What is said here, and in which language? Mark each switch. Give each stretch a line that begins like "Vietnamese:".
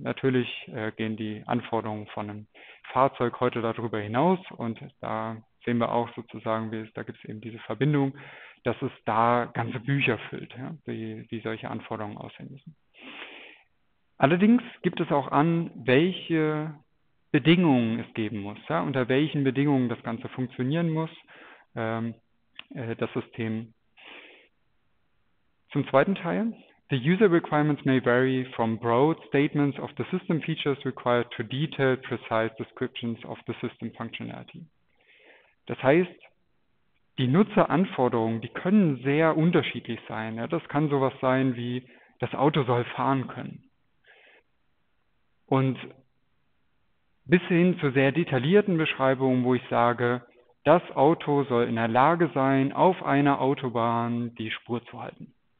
German: Natürlich gehen die Anforderungen von einem Fahrzeug heute darüber hinaus und da sehen wir auch sozusagen, wie es, da gibt es eben diese Verbindung, dass es da ganze Bücher füllt, ja, wie solche Anforderungen aussehen müssen. Allerdings gibt es auch an, welche Bedingungen es geben muss, ja, unter welchen Bedingungen das Ganze funktionieren muss, das System. Zum zweiten Teil.
English: The user requirements may vary from broad statements of the system features required to detailed, precise descriptions of the system functionality.
German: Das heißt, die Nutzeranforderungen, die können sehr unterschiedlich sein. Ja, das kann sowas sein wie, das Auto soll fahren können. Und bis hin zu sehr detaillierten Beschreibungen, wo ich sage, das Auto soll in der Lage sein, auf einer Autobahn die Spur zu halten.